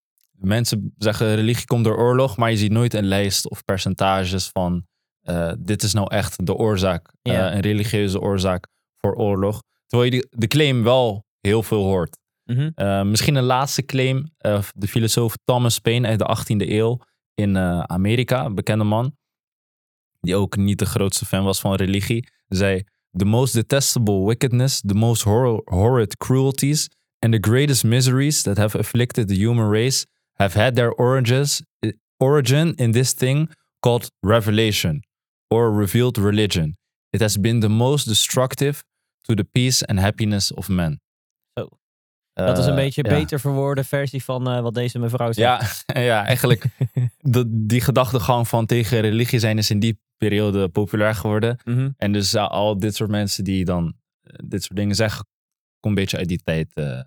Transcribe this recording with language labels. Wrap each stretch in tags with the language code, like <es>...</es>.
<nl>Mensen zeggen religie komt door oorlog, maar je ziet nooit een lijst of percentages van dit is nou echt de oorzaak, een religieuze oorzaak voor oorlog. Terwijl je de claim wel heel veel hoort. Mm-hmm. Misschien een laatste claim. De filosoof Thomas Paine uit de 18e eeuw in Amerika. Een bekende man. Die ook niet de grootste fan was van religie. Zei,</nl> <en>the most detestable wickedness, the most horrid cruelties and the greatest miseries that have afflicted the human race have had their origin in this thing called revelation or revealed religion. It has been the most destructive to the peace and happiness of men. Oh.</en> <nl>Dat is een beetje beter verwoorde versie van wat deze mevrouw zegt. Ja, ja, eigenlijk die gedachtegang van tegen religie zijn is in die periode populair geworden. Mm-hmm. En dus al dit soort mensen die dan dit soort dingen zeggen, komt een beetje uit die tijd.</nl>